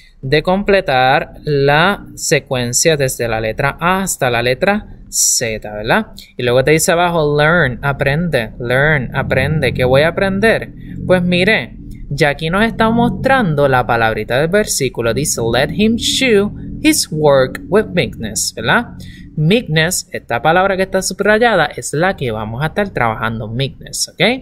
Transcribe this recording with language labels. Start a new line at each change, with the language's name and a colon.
Spanish: De completar la secuencia desde la letra A hasta la letra Z, ¿verdad? Y luego te dice abajo, learn, aprende. ¿Qué voy a aprender? Pues mire, ya aquí nos está mostrando la palabrita del versículo. Dice,
English: let him shew his work with meekness,
Spanish: ¿verdad? Meekness, esta palabra que está subrayada, es la que vamos a estar trabajando, meekness, ¿ok?